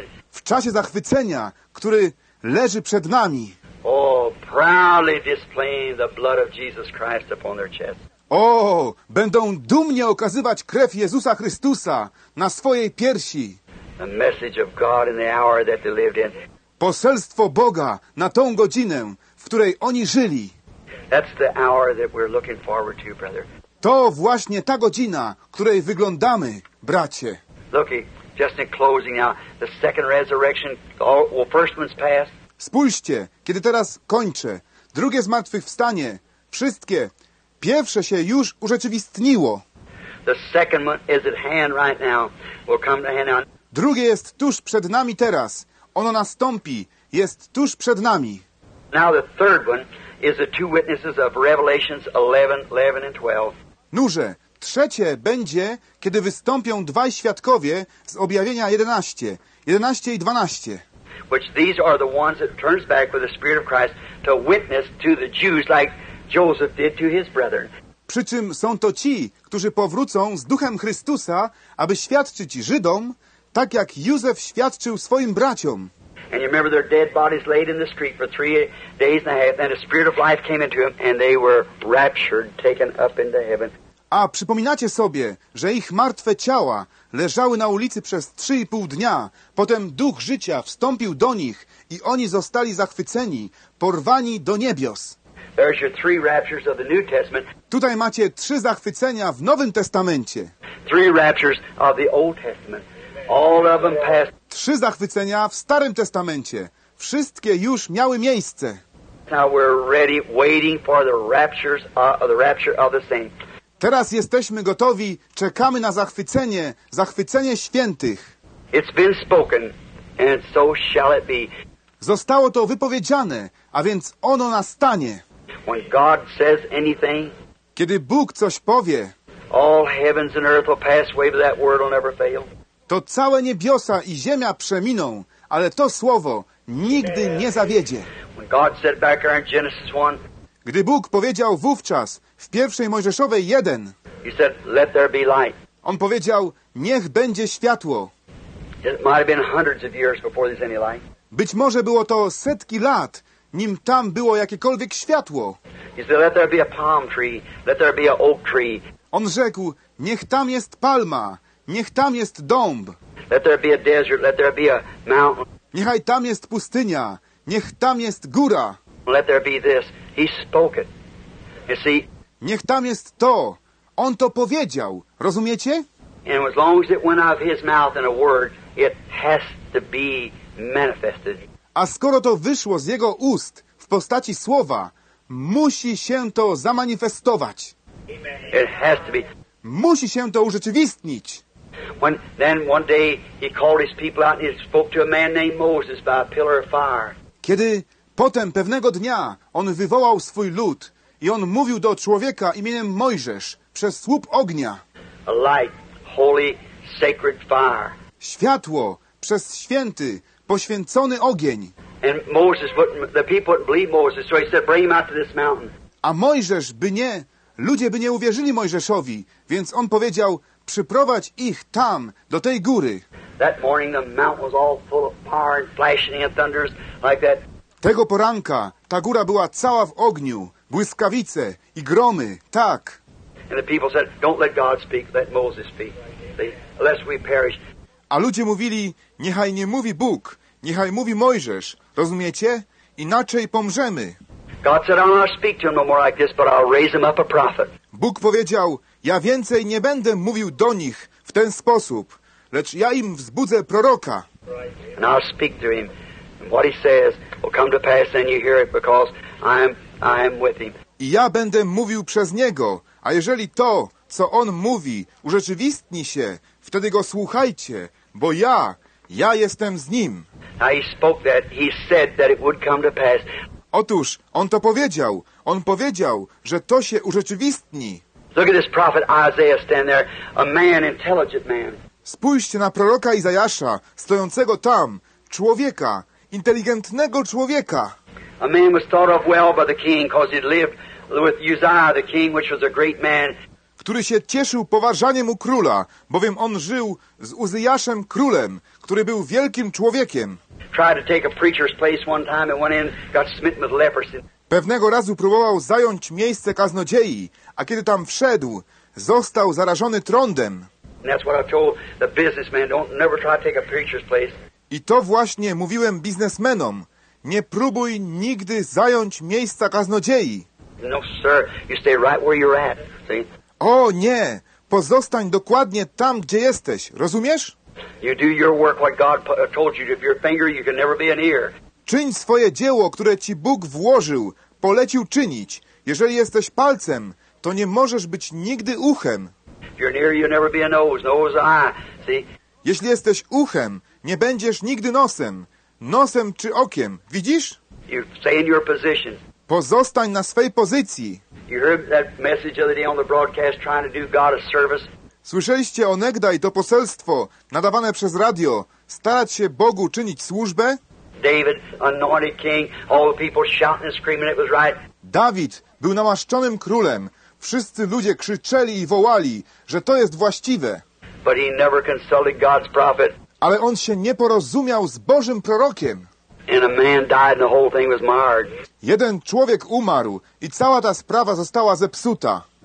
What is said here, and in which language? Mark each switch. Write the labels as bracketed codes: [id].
[pl] W czasie zachwycenia, który leży przed nami. [en] Oh, proudly displaying the blood of Jesus Christ upon their chest. [pl] O, będą dumnie okazywać krew Jezusa Chrystusa na swojej piersi. [en] The message of God in the hour that they lived in. [pl] Poselstwo Boga na tą godzinę, w której oni żyli. [en] That's the hour that we're looking forward to, brother. [pl] To właśnie ta godzina, której wyglądamy, bracie. [en] Looky. Just in closing now, the second resurrection, well, first one's passed. [pl] Spójrzcie, kiedy teraz kończę. Drugie zmartwychwstanie, wszystkie, pierwsze się już urzeczywistniło. [en] The second one is at hand right now. We'll come to hand now. [pl] Drugie jest tuż przed nami teraz. Ono nastąpi, jest tuż przed nami. [en] Now the third one is the two witnesses of Revelations 11:11 and 12. [pl] Nurze, trzecie będzie, kiedy wystąpią dwaj świadkowie z objawienia 11 i 12. [en] Which these are the ones that turns back with the Spirit of Christ to witness to the Jews like Joseph did to his brethren. [pl] Przy czym są to ci, którzy powrócą z Duchem Chrystusa, aby świadczyć Żydom, tak jak Józef świadczył swoim braciom. [en] And you remember their dead bodies laid in the street for 3 days and a half, and the Spirit of life came into them, and they were raptured, taken up into heaven. [pl] A przypominacie sobie, że ich martwe ciała leżały na ulicy przez 3,5 dnia, potem duch życia wstąpił do nich i oni zostali zachwyceni, porwani do niebios. [en] There's your 3 raptures of the New Testament. [pl] Tutaj macie 3 zachwycenia w Nowym Testamencie. [en] 3 raptures of the Old Testament. All of them passed. [pl] 3 zachwycenia w Starym Testamencie. Wszystkie już miały miejsce. [en] Now we're ready, waiting for the rapture of the saints. [pl] Teraz jesteśmy gotowi, czekamy na zachwycenie świętych. [en] It's been spoken, and so shall it be. [pl] Zostało to wypowiedziane, a więc ono nastanie. [en] When God says anything, [pl] kiedy Bóg coś powie, [en] all heavens and earth will pass away, but that word will never fail. [pl] To całe niebiosa i ziemia przeminą, ale to słowo nigdy nie zawiedzie. [en] When God said back there in Genesis 1, [pl] gdy Bóg powiedział wówczas, w pierwszej Mojżeszowej 1, [en] he said, let there be light. [pl] On powiedział, niech będzie światło. [en] It might have been hundreds of years before there's any light. [pl] Być może było to setki lat, nim tam było jakiekolwiek światło. [en] He said, let there be a palm tree, let there be an oak tree. [pl] On rzekł, niech tam jest palma, niech tam jest dąb. [en] Let there be a desert, let there be a mountain. [pl] Niechaj tam jest pustynia, niech tam jest góra. [en] Let there be this. He spoke it. You see? [pl] Niech tam jest to. On to powiedział. Rozumiecie? [en] And as long as it went out of his mouth in a word, it has to be manifested. [pl] A skoro to wyszło z jego ust w postaci słowa, musi się to zamanifestować. [en] It has to be. [pl] Musi się to urzeczywistnić. [en] When then one day he called his people out and he spoke to a man named Moses by a pillar of fire. [pl] Kiedy potem pewnego dnia on wywołał swój lud i on mówił do człowieka imieniem Mojżesz przez słup ognia. [en] A light, holy, sacred fire. [pl] Światło przez święty, poświęcony ogień. [en] And Moses wouldn't, the people wouldn't believe Moses, so he said, bring him out to this mountain. [pl] A Mojżesz by nie, ludzie by nie uwierzyli Mojżeszowi, więc on powiedział, przyprowadź ich tam, do tej góry. [en] That morning the mountain was all full of power and flashing and thunders like that. [pl] Tego poranka ta góra była cała w ogniu, błyskawice i gromy, tak. [en] And the people said, don't let God speak, let Moses speak, lest we perish. [pl] A ludzie mówili, niechaj nie mówi Bóg, niechaj mówi Mojżesz, rozumiecie? Inaczej pomrzemy. [en] God said, I'll not speak to him no more like this, but I'll raise him up a prophet. [pl] Bóg powiedział, ja więcej nie będę mówił do nich w ten sposób, lecz ja im wzbudzę proroka. [en] And I'll speak to him. What he says will come to pass, and you hear it because I am with him. [pl] I ja będę mówił przez niego, a jeżeli to, co on mówi, urzeczywistni się, wtedy go słuchajcie, bo ja jestem z nim. [en] Now he spoke that. He said that it would come to pass. [pl] Otóż on to powiedział. On powiedział, że to się urzeczywistni. [en] Look at this prophet Isaiah stand there, a man, intelligent man. [pl] Spójrzcie na proroka Izajasza, stojącego tam, człowieka. Inteligentnego człowieka. [en] A man was thought of well by the king, cause he'd lived with Uzziah, the king, which was a great man. [pl] Który się cieszył poważaniem u króla, bowiem on żył z Uzziaszem królem, który był wielkim człowiekiem. [en] Tried to take a preacher's place one time and went in, got smitten with leprosy. [pl] Pewnego razu próbował zająć miejsce kaznodziei, a kiedy tam wszedł, został zarażony trądem. [en] And that's what I told the businessman. Don't never try to take a preacher's place. [pl] I to właśnie mówiłem biznesmenom. Nie próbuj nigdy zająć miejsca kaznodziei. [en] No, sir, you stay right where you're at. See? [pl] O nie, pozostań dokładnie tam, gdzie jesteś. Rozumiesz? [en] You do your work what God told you. If you're a finger, you can never be an ear. [pl] Czyń swoje dzieło, które ci Bóg włożył, polecił czynić. Jeżeli jesteś palcem, to nie możesz być nigdy uchem. [en] If you're an ear, you'll never be a nose. Nose, eye. See? [pl] Jeśli jesteś uchem, nie będziesz nigdy nosem. Nosem czy okiem. Widzisz? [en] You stay in your position. [pl] Pozostań na swej pozycji. [en] You heard that message the other day on the broadcast trying to do God a service? [pl] Słyszeliście onegdaj to poselstwo nadawane przez radio, starać się Bogu czynić służbę? [en] David, anointed king, all the people shouting and screaming, it was right. [pl] Dawid był namaszczonym królem. Wszyscy ludzie krzyczeli i wołali, że to jest właściwe. [en] But he never consulted God's prophet. [pl] Ale on się nie porozumiał z Bożym prorokiem. [en] And a man died and the whole thing was marred. [pl] Jeden człowiek umarł i cała ta sprawa została zepsuta.